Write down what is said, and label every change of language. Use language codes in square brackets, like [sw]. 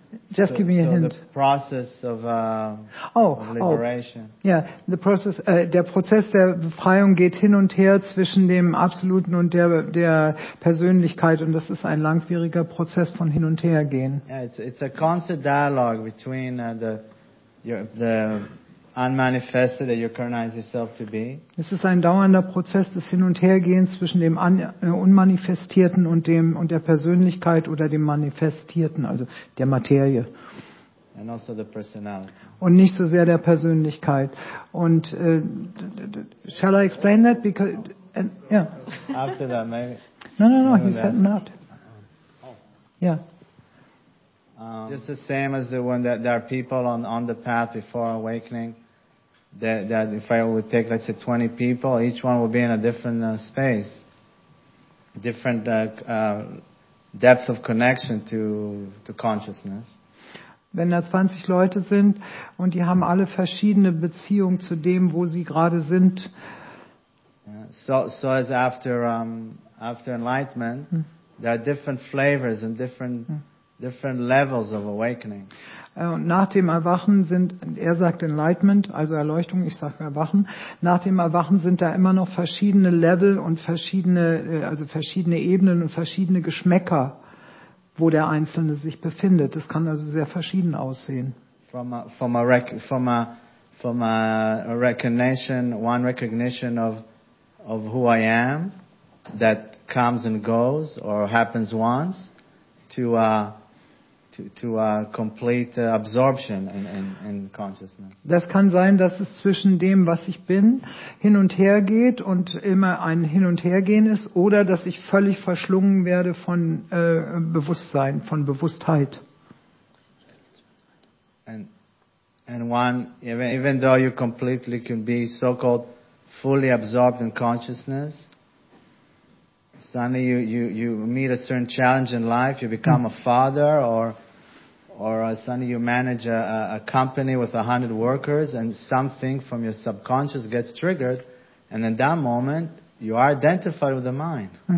[en] Just give me a hint. The process of liberation. [de] Oh, yeah, der Prozess der Befreiung geht hin und her zwischen dem Absoluten und der Persönlichkeit, und das ist ein langwieriger Prozess von hin und her gehen. [en] Yeah, it's a constant dialogue between the unmanifested that you recognize yourself to be. [de] Es ist ein dauernder Prozess des Hin- und Hergehens zwischen dem Unmanifestierten und der Persönlichkeit oder dem Manifestierten, also der Materie. [en] And also the personality. [de] Und nicht so sehr der Persönlichkeit. Und [en] shall I explain that? Because yeah. After that, maybe. No, he said not. Yeah. Just the same as the one that there are people on the path before awakening. That if I would take, let's say, 20 people, each one would be in a different space, different depth of connection to consciousness. [de] Wenn da 20 Leute sind und die haben alle verschiedene Beziehungen zu dem, wo sie gerade sind. [en] So as after enlightenment, there are different flavors and different levels of awakening. [de] Und nach dem Erwachen sind, er sagt Enlightenment, also Erleuchtung, ich sage Erwachen, nach dem Erwachen sind da immer noch verschiedene Level und verschiedene Ebenen und verschiedene Geschmäcker, wo der Einzelne sich befindet. Das kann also sehr verschieden aussehen. [en] One recognition of who I am that comes and goes or happens once to a complete absorption in consciousness. [de] Das kann sein, dass es zwischen dem, was ich bin, hin und her geht und immer ein Hin und Hergehen ist, oder dass ich völlig verschlungen werde von Bewusstsein, von Bewusstheit. [en] And And one, even though you completely can be so-called fully absorbed in consciousness, suddenly you meet a certain challenge in life, you become a father, or suddenly you manage a company with 100 workers, and something from your subconscious gets triggered, and in that moment, you are identified with the mind.